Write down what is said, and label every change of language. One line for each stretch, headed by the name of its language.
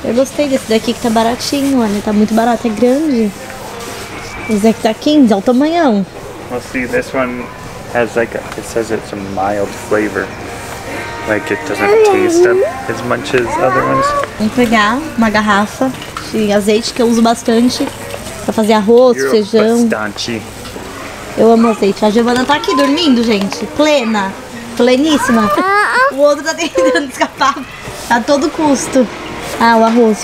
Portuguese: Eu gostei desse daqui que tá baratinho, olha, tá muito barato, é grande. Esse daqui tá 15, olha o tamanhão.
English: Well, see, this one has like, a, it says it's a mild flavor. Like, it doesn't taste as much as other ones.
Portuguese: Vamos pegar uma garrafa de azeite que eu uso bastante pra fazer arroz,
English: You're
Portuguese: feijão. Bastante. Eu amo azeite. A Giovana tá aqui dormindo, gente, plena. Pleníssima. O outro tá tentando escapar a todo custo. Ah, o arroz.